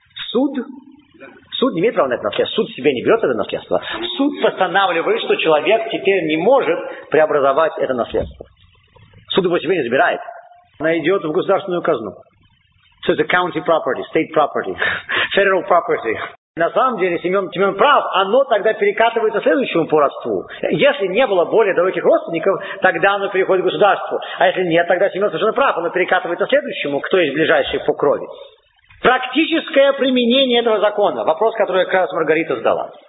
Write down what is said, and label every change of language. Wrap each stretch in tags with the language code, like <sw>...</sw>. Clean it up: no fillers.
<ru>Суд? Суд не имеет права на это наследство. Суд себе не берет это наследство. Суд постанавливает, что человек теперь не может преобразовать это наследство. Суд его себе не забирает. Она идет в государственную казну.</ru> <en>So it's a county property, state property, federal property.</en> <ru>На самом деле Семен прав. Оно тогда перекатывается следующему по родству. Если не было более далеких родственников, тогда оно переходит к государству. А если нет, тогда Семен совершенно прав. Оно перекатывается следующему, кто есть ближайший по крови. Практическое применение этого закона. Вопрос, который как раз Маргарита задала.</ru>